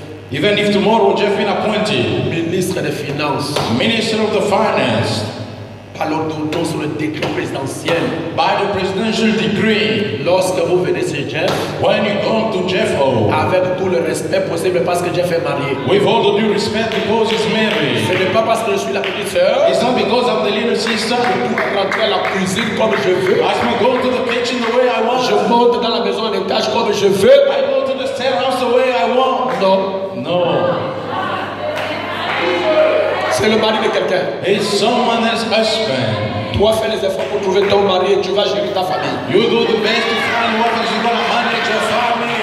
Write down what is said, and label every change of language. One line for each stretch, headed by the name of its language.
English: Even if tomorrow Jeff been appointed
French: ministre des finances,
English: minister of the finance,
French: par l'ordonnance sur le décret présidentiel,
English: by the presidential decree,
French: lorsque vous venez chez Jeff,
English: when you come to Jeff home,
French: avec tout le respect possible parce que Jeff est marié,
English: with all the due respect because he's married,
French: ce n'est pas parce que je suis la petite sœur,
English: it's not because I'm the little sister,
French: je peux rentrer à la cuisine comme je veux,
English: I can go to the kitchen the way I want,
French: je monte dans la maison à l'étage comme je veux,
English: I go to the stairhouse the way I want,
French: non.
English: No.
French: C'est le mari de quelqu'un.
English: It's someone else's husband.
French: Toi fais les efforts pour trouver ton mari et tu vas gérer ta famille.
English: You do the best to find work and you're gonna manage your family.